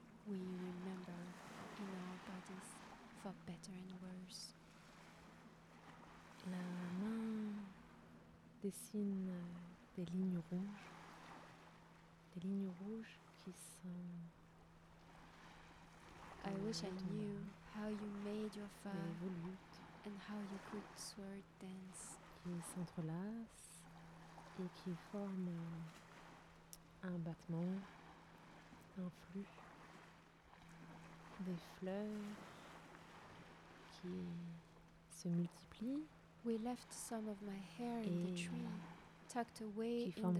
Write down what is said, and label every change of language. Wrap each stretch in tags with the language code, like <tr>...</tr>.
<en>We remember in our bodies for better and worse.</en> <fr>La main dessine des lignes rouges qui sont.</fr> <en>I wish I knew how you made your fur and how you could sword dance.</en> <fr>Qui s'entrelacent et qui forment un battement, un flux, des fleurs qui se multiplient.</fr> <en>We left some of my hair in the tree, tucked away in the</en>